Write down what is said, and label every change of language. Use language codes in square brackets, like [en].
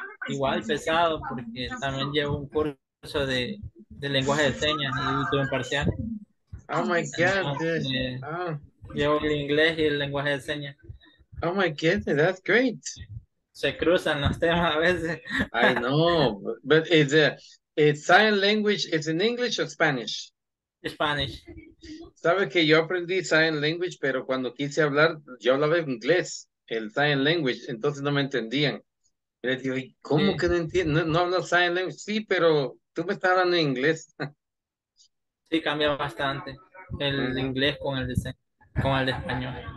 [es] Igual pesado porque también llevo un curso de lenguaje de señas y tuve un parcial. [en] Oh my God. [es] Llevo el inglés y el lenguaje de señas. [en] Oh my goodness, that's great. [es] Se cruzan los temas a veces. [en] I know, but is sign language, it's in English or Spanish? Spanish. [es] Sabes que yo aprendí sign language, pero cuando quise hablar, yo hablaba en inglés, el sign language, entonces no me entendían. Y les digo, ¿cómo Sí. que no entiendo? No hablo no, sign language. Sí, pero tú me estás hablando en inglés. Sí, cambia bastante el inglés con el de español.